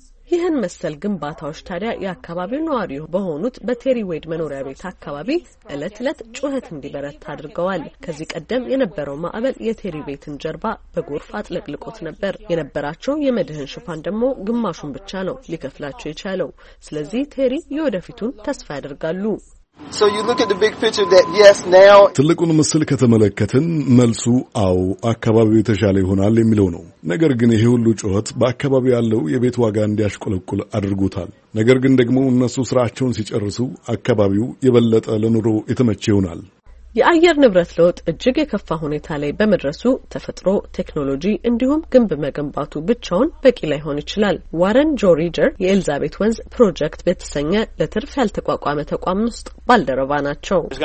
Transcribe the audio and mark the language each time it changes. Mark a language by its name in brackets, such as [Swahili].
[Amharic] ይህን መሰል ግንባታዎች ታዲያ የአካባቢው ነዋሪ በሆኑት በቴሪ ዌድ መኖሪያ ቤት አካባቢ እለት እለት ጩኸት እንዲበረታ አድርገዋል። ከዚህ ቀደም የነበረው ማዕበል የቴሪ ቤትን ጀርባ በጎርፍ አጥለቅልቆት ነበር። የነበራቸው የመድህን ሽፋን ደግሞ ግማሹን ብቻ ነው ሊከፍላቸው የቻለው። ስለዚህ ቴሪ የወደፊቱን ተስፋ ያደርጋሉ። [English] So you look at the big picture that yes now [Amharic] ትልቁን ምስል ከተመለከትን መልሱ አው አካባቢው የተሻለ ይሆናል የሚለው ነው። ነገር ግን ይሄ ሁሉ ጩኸት በአካባቢው ያለው የቤት ዋጋ እንዲያሽቆለቁል አድርጎታል። ነገር ግን ደግሞ እነሱ ስራቸውን ሲጨርሱ አካባቢው የበለጠ ለኑሮ የተመቸ ይሆናል። የአየር ንብረት ለውጥ እጅግ የከፋ ሁኔታ ላይ በመድረሱ ተፈጥሮ፣ ቴክኖሎጂ እንዲሁም ግንብ መገንባቱ ብቻውን በቂ ላይሆን ይችላል። ዋረን ጆሪጀር የኤልዛቤት ወንዝ ፕሮጀክት በተሰኘ ለትርፍ ያልተቋቋመ ተቋም ውስጥ ባልደረባ ናቸው።